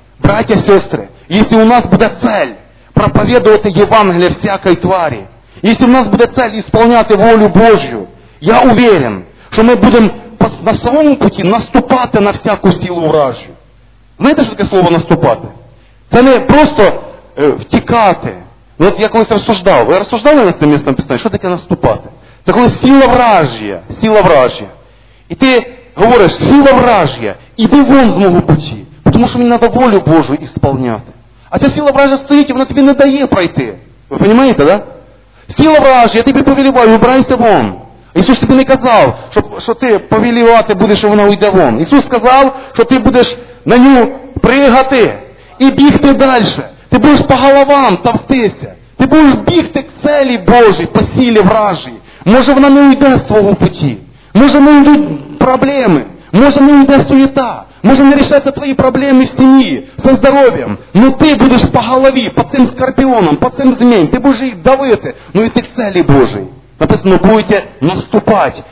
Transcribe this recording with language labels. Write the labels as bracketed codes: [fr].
[uk] Браті, сестри, якщо у нас буде цель проповедувати Євангеліє всякій тварі, якщо у нас буде цель ісполняти волю Божу, я уверен, що ми будемо на своєму пути наступати на всяку силу вражу. Знаєте, що таке слово «наступати»? Це не просто втікати. Ну от я колись розсуждав. Ви розсуждали над цим місцем писання? Що таке наступати? Це коли сила вражія. І ти [ru] говоришь, сила вражья, иди вон с моего пути, потому что мне надо волю Божию исполнять. А эта сила вражья стоит, и она тебе не дает пройти. Вы понимаете, да? Сила вражья, я тебе повелеваю, убирайся вон. Иисус тебе не сказал, что ты повелевать будешь, и она уйдет вон. Иисус сказал, что ты будешь на нее прыгать и бегать дальше. Ты будешь по головам топтись. Ты будешь бегать к цели Божьей, по силе вражьей. [uk] Может, вона не уйде з твого пути. Може, не уйдуть проблеми. Може, не уйде суета. Може, не рішаться твої проблеми в сім'ї, со здоров'ям. Ну ти будеш по голові, по цим скорпіонам, по цим змінь. Ти будеш їх давити. Ну і ти цілі Божі. Написано, будете наступати.